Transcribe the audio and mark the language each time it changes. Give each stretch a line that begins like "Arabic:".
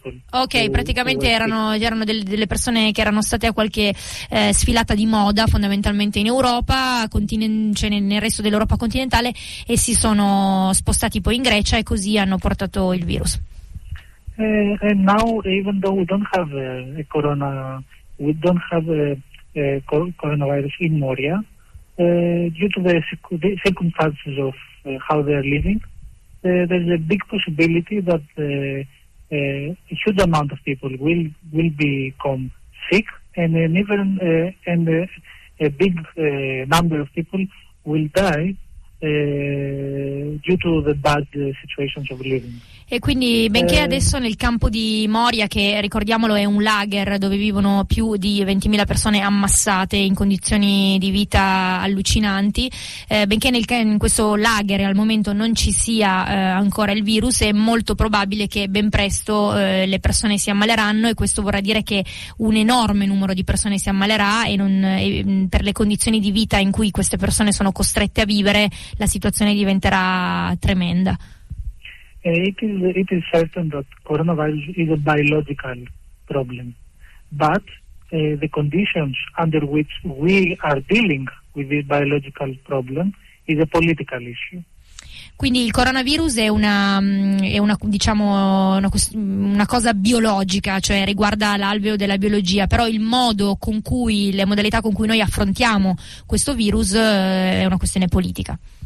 Italian: Ok, praticamente erano delle persone che erano state a qualche sfilata di moda fondamentalmente in Europa, nel resto dell'Europa continentale, e si sono spostati poi in Grecia e così hanno portato il virus.
English: And now, even though we don't have coronavirus in Moria, due to the circumstances of how they are living, there's a big possibility that a huge amount of people will become sick, and a big number of people will die due to the bad situations of living.
Italian: E quindi, benché adesso nel campo di Moria, che ricordiamolo è un lager dove vivono più di 20.000 persone ammassate in condizioni di vita allucinanti, benché in questo lager al momento non ci sia ancora il virus, è molto probabile che ben presto le persone si ammaleranno, e questo vorrà dire che un enorme numero di persone si ammalerà, e per le condizioni di vita in cui queste persone sono costrette a vivere, la situazione diventerà tremenda.
English: It is certain that coronavirus is a biological problem, but the conditions under which we are dealing with this biological problem is a political issue.
Italian: Quindi il coronavirus è una cosa biologica, cioè riguarda l'alveo della biologia, però il modo con cui, le modalità con cui noi affrontiamo questo virus è una questione politica.